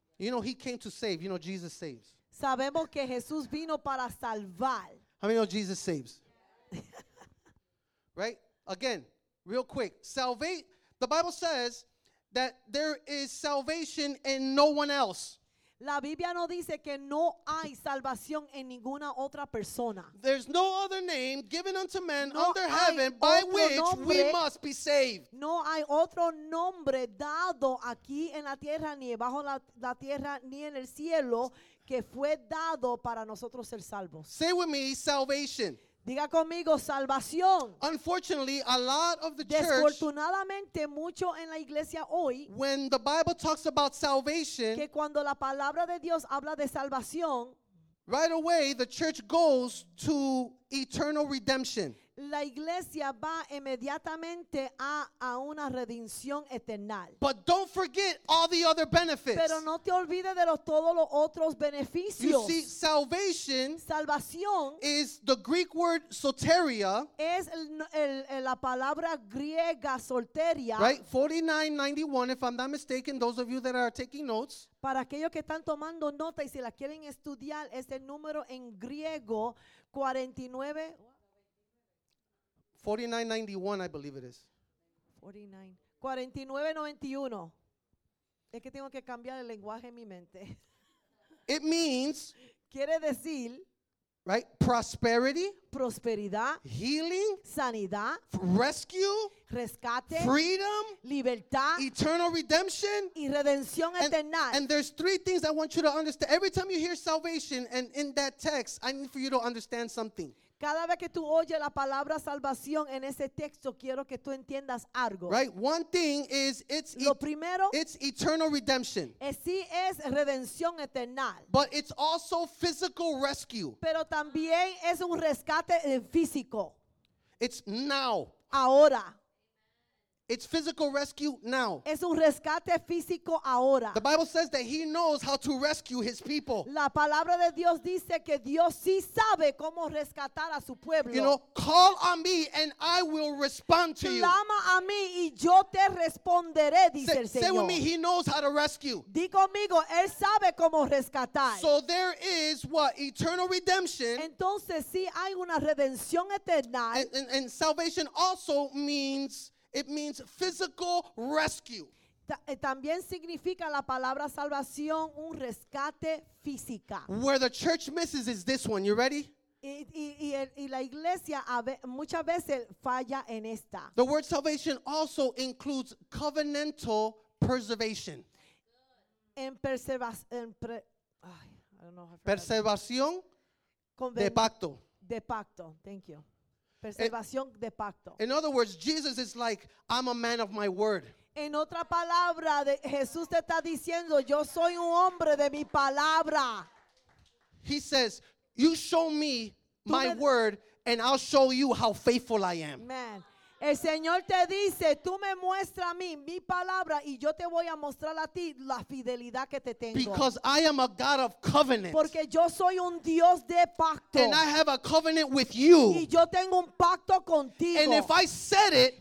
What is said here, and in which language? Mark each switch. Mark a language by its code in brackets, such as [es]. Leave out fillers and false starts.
[en] You know he came to save. You know Jesus saves. [es] Sabemos que Jesús vino para salvar. [en] How many know Jesus saves? Right? Again, real quick. The Bible says that there is salvation in no one else. [es] La Biblia no dice que no hay salvación en ninguna otra persona. [en] There's no other name given unto men under heaven by which we must be saved. [es] No hay otro nombre dado aquí en la tierra, ni bajo la tierra, ni en el cielo, que fue dado para nosotros ser salvos. [en] Say with me, salvation. [es] Diga conmigo, salvación. [en] Unfortunately, a lot of the church, [es] desafortunadamente, mucho en la iglesia hoy, [en] when the Bible talks about salvation, [es] que cuando la palabra de Dios habla de salvación, [en] right away the church goes to eternal redemption. [es] La iglesia va inmediatamente a una redención eterna. [en] But don't forget all the other benefits. [es] Pero no te olvides de todos los otros beneficios. [en] You see, salvation, [es] salvación, [en] is the Greek word soteria. [es] Es la palabra griega soteria. [en] Right, 49:91. If I'm not mistaken, those of you that are taking notes. [es] Para aquellos que están tomando nota y si la quieren estudiar, es el número en griego 49. [en] 49:91, I believe it is. 49:91. [es] Es que tengo que cambiar el lenguaje en mi mente. [en] It means. [es] Quiere decir. [en] Right? Prosperity. [es] Prosperidad. [en] Healing. [es] Sanidad. [en] Rescue. [es] Rescate. [en] Freedom. [es] Libertad. [en] Eternal redemption. [es] Y redención eterna. [en] And there's three things I want you to understand. Every time you hear salvation and in that text, I need for you to understand something. [es] Cada vez que tú oyes la palabra salvación en ese texto, quiero que tú entiendas algo. [en] Right, one thing is it's it's eternal redemption. [es] Sí es redención eterna. [en] But it's also physical rescue. [es] Pero también es un rescate físico. [en] It's now. [es] Ahora. [en] It's physical rescue now. [es] Es un rescate físico ahora. [en] The Bible says that he knows how to rescue his people. [es] La palabra de Dios dice que Dios sí sabe cómo rescatar a su pueblo. [en] You know, call on me and I will respond to you. [es] Clama a mí y yo te responderé, dice el Señor. [en] Say with me, he knows how to rescue. [es] Di conmigo, él sabe cómo rescatar. [en] So there is what? Eternal redemption. [es] Entonces sí hay una redención eterna. [en] And salvation also means... It means physical rescue. [es] También significa la palabra salvación un rescate física. [en] Where the church misses is this one. You ready? [es] Y la iglesia muchas veces falla en esta. [en] The word salvation also includes covenantal preservation. [es] Preservación de pacto. De pacto. [en] Thank you. [es] Preservación de pacto. [en] In other words, Jesus is like, I'm a man of my word. [es] En otra palabra, Jesús te está diciendo, yo soy un hombre de mi palabra. [en] He says, you show me my word and I'll show you how faithful I am. Man. [es] El Señor te dice, tú me muestras a mí mi palabra y yo te voy a mostrar a ti la fidelidad que te tengo. [en] Because I am a God of covenant. [es] Porque yo soy un Dios de pacto. [en] And I have a covenant with you. [es] Y yo tengo un pacto contigo. [en] And if I said it,